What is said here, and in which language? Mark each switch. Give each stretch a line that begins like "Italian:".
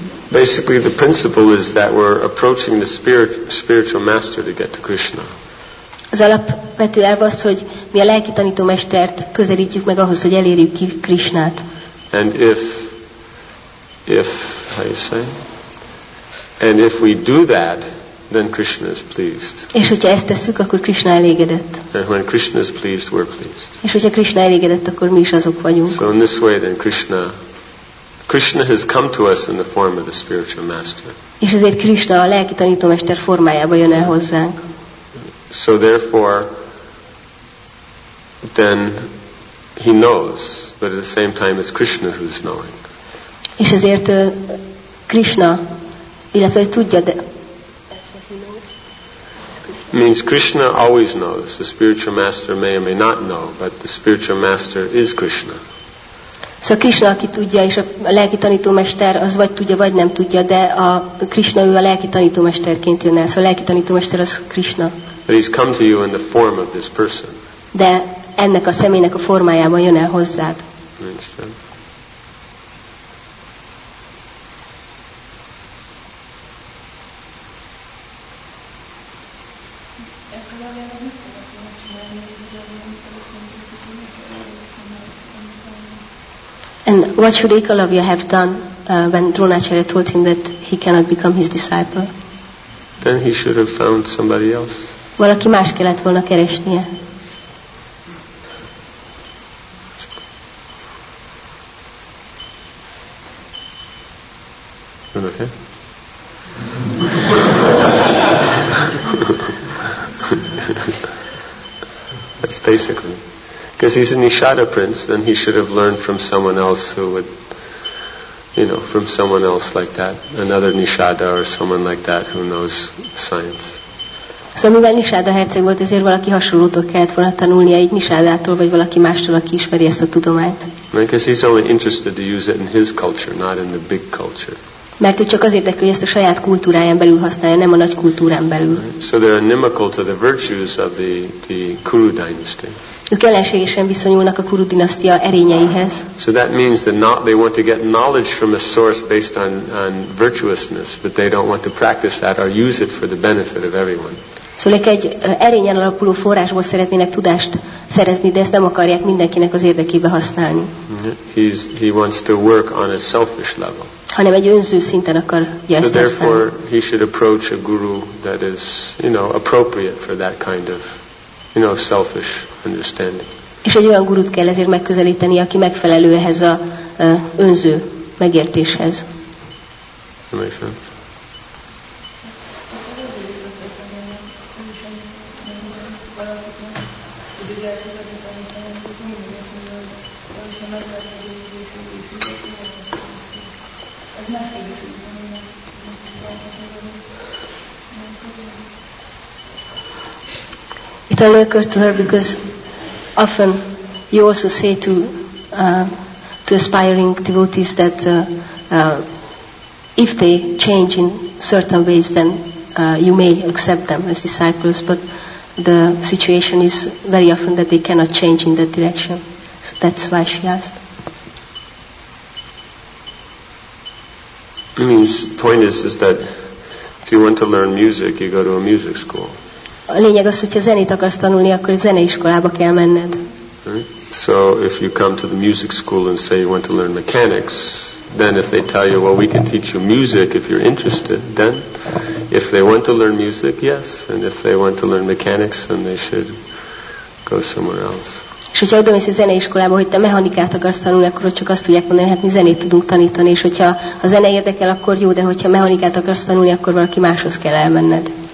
English: Basically, the principle is that we're approaching the spiritual master to get to Krishna.
Hungarian: Az alapvető elv az, hogy mi a lelki tanítómestert közelítjük meg ahhoz, hogy elérjük ki Krishnát.
English: And if how you say? And if we do that, then Krishna is pleased.
Hungarian: És hogyha ezt tesszük, akkor Krishna elégedett.
English: And when Krishna is pleased, we're pleased.
Hungarian: És hogyha Krishna elégedett, akkor mi is azok vagyunk.
English: So in this way, then Krishna has come to us in the form of the spiritual master.
Hungarian: És ezért Krishna a lelki tanítómester formájában jön el hozzánk.
English: So therefore, then he knows, but at the same time it's Krishna who is knowing.
Hungarian: És ezért Krishna, illetve tudja, de...
English: Means Krishna always knows. The spiritual master may or may not know, but the spiritual master is Krishna.
Hungarian: Szóval Krishna, aki tudja, és a lelki tanítómester az vagy tudja, vagy nem tudja, de a Krishna ő a lelki tanítómesterként jön el. Szóval a lelki tanítómester az Krishna.
English: But he's come to you in the form of this person.
Hungarian: De ennek a személynek a formájában jön el hozzád.
English: And what should Ekalavya have done when Dronacharya told him that he cannot become his disciple? Then he should have found somebody else.
Hungarian: Valaki más kellett volna keresnie.
English: Okay. That's basically. Because he's a Nishada prince, then he should have learned from someone else who would, you know, from someone else like that, another Nishada or someone like that who knows science.
Hungarian: So, mivel Nishada herceg volt, ezért valaki hasonlótól kellett volna tanulnia, egy Nishadától, vagy valaki mástól, aki ismeri ezt a tudományt.
English: Because he's only interested to use it in his culture, not in the big culture.
Hungarian: Mert ő csak az érdekli, hogy ezt a saját kultúráján belül használja, nem a nagy kultúrán belül.
English: So they're inimical to the virtues of the Kuru dynasty.
Hungarian: Ők ellenségesen viszonyulnak a Kuru dinasztia erényeihez.
English: So that means that not they want to get knowledge from a source based on virtuousness, but they don't want to practice that or use it for the benefit of everyone.
Hungarian: Szóval egy erényen alapuló forrásból szeretnének tudást szerezni, de ezt nem akarják mindenkinek az érdekébe használni.
English: He wants to work on a selfish level.
Hungarian: Hanem egy önző szinten akarja ezt használni.
English: So therefore he should approach a guru that is, you know, appropriate for that kind of, you know, selfish understanding.
Hungarian: És egy olyan gurut kell ezért megközelíteni, aki megfelelő ehhez a önző megértéshez.
English: It only occurs to her because often you also say to aspiring devotees that if they change in certain ways, then you may accept them as disciples. But the situation is very often that they cannot change in that direction. So that's why she asked. I mean, the point is that if you want to learn music, you go to a music school.
Hungarian: A lényeg az, hogy ha zenét akarsz tanulni, akkor zeneiskolába kell menned.
English: So if you come to the music school and say you want to learn mechanics, then if they tell you, well, we can teach you music if you're interested, then if they want to learn music, yes, and if they want to learn mechanics, then they should go somewhere else.
Hungarian: És hogyha oda mész a zeneiskolába, hogy te mechanikát akarsz tanulni, akkor csak azt tudják mondani, hát mi zenét tudunk tanítani, és hogyha a zene érdekel, akkor jó, de hogyha mechanikát akarsz tanulni, akkor valaki máshoz kell elmenned.